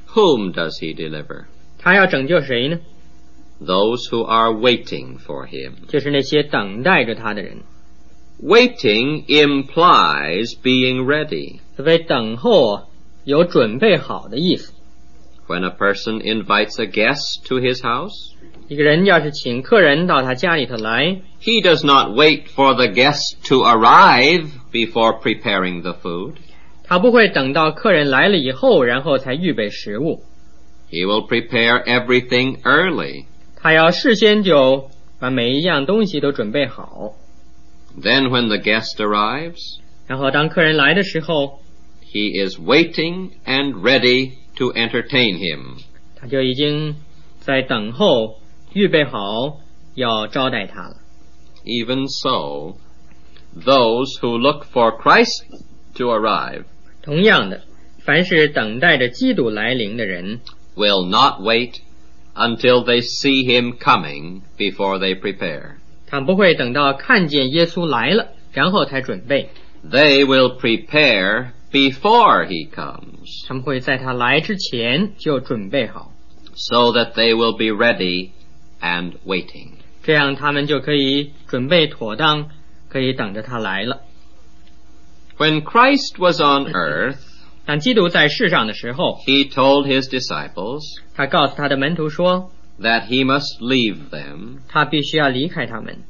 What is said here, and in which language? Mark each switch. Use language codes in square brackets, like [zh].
[en] Whom does he deliver? [zh] 他要拯救谁呢? [en] Those who are waiting for him. [zh] 就是那些等待着他的人。 [en] Waiting implies being ready. [zh] 所谓等候有准备好的意思。 [en] When a person invites a guest to his house, [zh] 一个人要是请客人到他家里头来, [en] he does not wait for the guest to arrive before preparing the food. [zh] 他不会等到客人来了以后然后才预备食物。 [en] He will prepare everything early. [zh] 他要事先就把每一样东西都准备好。 [en] Then when the guest arrives, [zh] 然后当客人来的时候, [en] he is waiting and ready to entertain him. [zh] 他就已经在等候预备好要招待他了。 [en] Even so, those who look for Christ to arrive, [zh] 同样的,凡是等待着基督来临的人, [en] will not wait until they see him coming before they prepare. [zh] 他不会等到看见耶稣来了然后才准备。 [en] They will prepare before he comes. [zh] 他们会在他来之前就准备好。 [en] So that they will be ready and waiting. [zh] 这样他们就可以准备妥当可以等着他来了。 [en] When Christ was on earth, [zh] 当基督在世上的时候 [en] he told his disciples, [zh] 他告诉他的门徒说 [en] That he must leave them, [zh] 他必须要离开他们